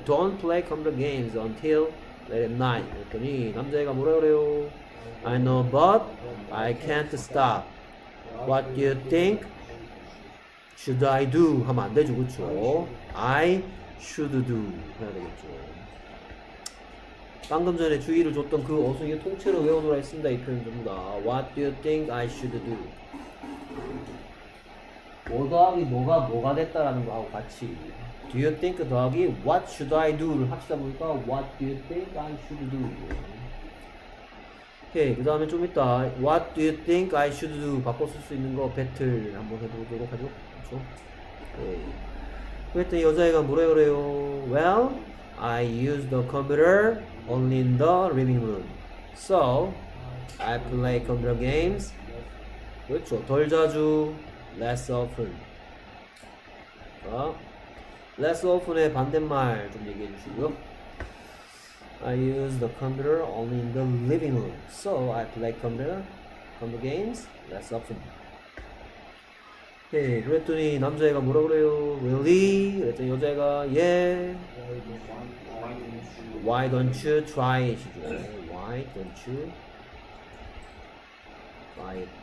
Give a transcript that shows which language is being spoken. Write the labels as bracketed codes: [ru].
[en] don't play computer games until late at night. [ko] 그랬더니 남자애가 뭐라 그래요? [en] I know but I can't stop. what do you think? Should I do? [ko] 하면 안 되죠, 그쵸? [en] I should do. [ko] 해야 되겠죠. 방금 전에 주의를 줬던 그 어순이 통째로 외워놓으라 했습니다. 이 표현 전부 다. [en] What do you think I should do? [ko] 5 더하기 뭐가 됐다라는 거하고 같이. [en] Do you think [ko] 더하기 [en] what should I do?를 [ko] 합치다 보니까 [en] What do you think I should do? [ko] 오케이, 그 다음에 좀 이따 [en] What do you think I should do? [ko] 바꿔 쓸 수 있는 거 배틀 한번 해보도록 하죠. 네. 그랬더니 여자애가 뭐라 그래요? [en] Well, I use the computer only in the living room. So, I play computer games. [ko] 그렇죠. 덜 자주, [en] less often. [ko] 자, less often의 반대말 좀 얘기해 주시고요. [en] I use the computer only in the living room. So, I play computer games less often. [ko] 예, 그랬더니 남자애가 뭐라 그래요? [en] Really? [ko] 그랬더니 여자애가 예. [en] Why don't you try it? Why don't you try it?